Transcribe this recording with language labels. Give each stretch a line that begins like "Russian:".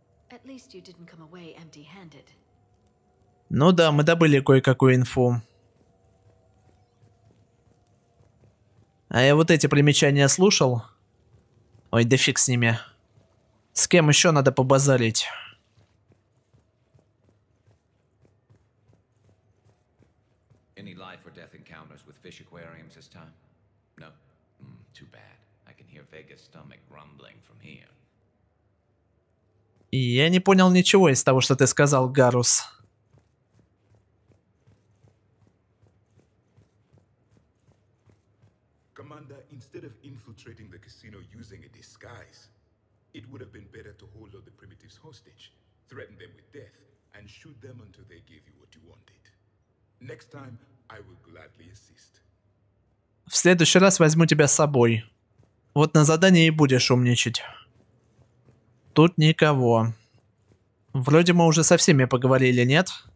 English: At least you didn't come away empty-handed.
Russian: Ну да, мы добыли кое-какую инфу. А я вот эти примечания слушал. Ой, да фиг с ними. С кем еще надо побазарить?
English: Any life or death encounters with fish aquariums this time? No. Too bad. I can hear Vega's stomach rumbling from here.
Russian: Я не понял ничего из того, что ты сказал, Гарус.
English: Commander, instead of infiltrating the casino using a disguise, it would have been better to hold all the primitives hostage, threaten them with death, and shoot them until they gave you what you wanted. Next time, I will gladly assist.
Russian: В следующий раз возьму тебя с собой. Вот на задании и будешь умничать. Тут никого. Вроде мы уже со всеми поговорили, нет?